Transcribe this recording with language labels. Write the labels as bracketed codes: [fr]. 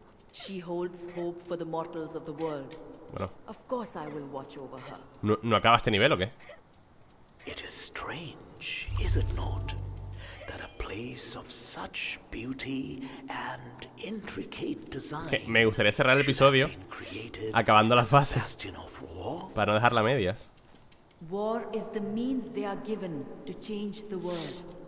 [en] She holds hope for the mortals of the world. [es] Bueno. [en] Of course I will watch over her. [es] ¿No acabas este nivel o qué? [en] It is strange, is it not, that a place of such beauty and intricate design. [es] Que me gustaría cerrar el episodio acabando las fases para no dejarla a medias. [en] War is the means they are given to change the world.